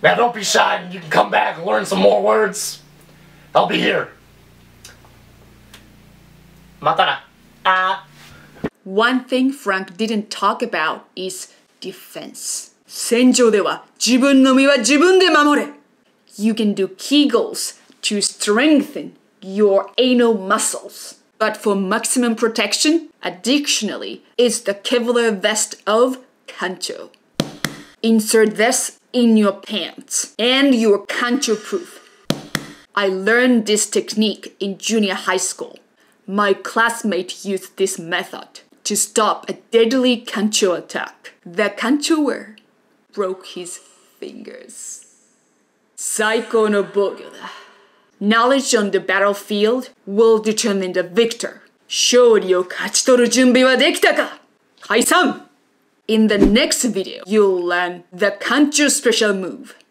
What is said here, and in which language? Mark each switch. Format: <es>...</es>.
<en>Now don't be shy and you can come back and learn some more words. I'll be here.</en> <ja>またな。あ。</ja> <en>One thing Frank didn't talk about is defense.</en> <ja>戦場では自分の身は自分で守れ。</ja> <en>You can do Kegels to strengthen your anal muscles. But for maximum protection, a dictionary is the Kevlar vest of Kancho. Insert this in your pants and you're Kancho proof. I learned this technique in junior high school. My classmate used this method. To stop a deadly Kancho attack, the Kanchoer broke his fingers.</en> <ja>最高の防御だ。</ja> <en>Knowledge on the battlefield will determine the victor.</en> <ja>勝利を勝ち取る準備はできたか? 解散!</ja> <en>In the next video, you'll learn the Kancho special move.</en>